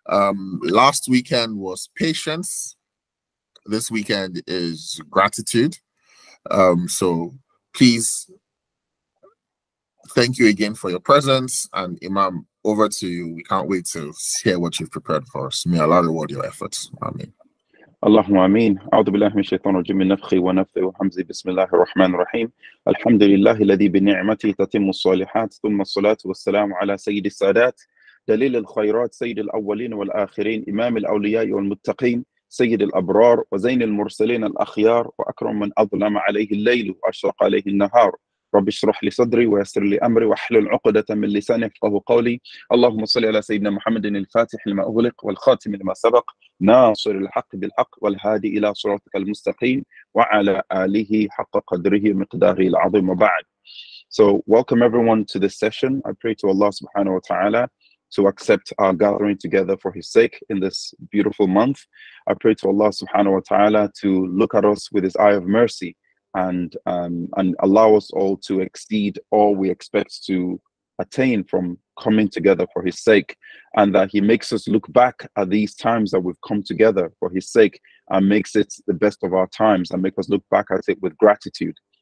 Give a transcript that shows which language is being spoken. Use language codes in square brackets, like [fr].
[en] Last weekend was patience. This weekend is gratitude. So please thank you again for your presence. And Imam, over to you. We can't wait to hear what you've prepared for us. May Allah reward your efforts. Amen. [ar] اللهم امين اعوذ بالله من الشيطان الرجيم من نفخي ونفثي وحمزي بسم الله الرحمن الرحيم الحمد لله الذي بنعمته تتم الصالحات ثم الصلاه والسلام على سيد السادات دليل الخيرات سيد الاولين والاخرين امام الاولياء والمتقين سيد الابرار وزين المرسلين الاخيار واكرم من اظلم عليه الليل واشرق عليه النهار رب اشرح لي صدري ويسر لي امري واحلل عقده من لساني يفقهوا قولي اللهم صل على سيدنا محمد الفاتح لما اغلق والخاتم لما سبق ناصر الحق بالحق والهادي الى صراطك المستقيم وعلى اله حق قدره مقداره العظيم وبعد. [en] So welcome everyone to this session. I pray to Allah subhanahu wa ta'ala to accept our gathering together for his sake in this beautiful month. I pray to Allah subhanahu wa ta'ala to look at us with his eye of mercy and allow us all to exceed all we expect to attain from coming together for his sake, and that he makes us look back at these times that we've come together for his sake and makes it the best of our times and make us look back at it with gratitude.